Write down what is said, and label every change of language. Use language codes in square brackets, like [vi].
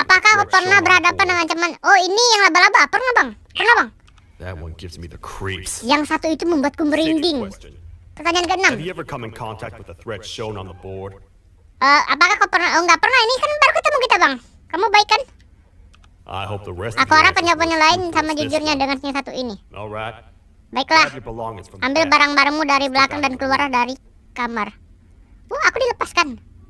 [id] Apakah kau pernah berhadapan dengan ancaman? Oh, ini yang laba-laba. Pernah, Bang. [en] That one gives me the creeps. [id] Yang satu itu membuatku merinding. Pertanyaan keenam. [en] Have you ever come in contact with the threat shown on the board? [id] Apakah kau pernah? Oh, enggak pernah. Ini kan baru ketemu kita, Bang. Kamu baik kan? [en] I hope the rest. [id] Aku harap penjawabannya lain sama jujurnya dengan yang satu ini. [en] Alright. [id] Baiklah. Ambil barang-barangmu dari belakang dan keluar dari kamar. Wah, aku dilepaskan.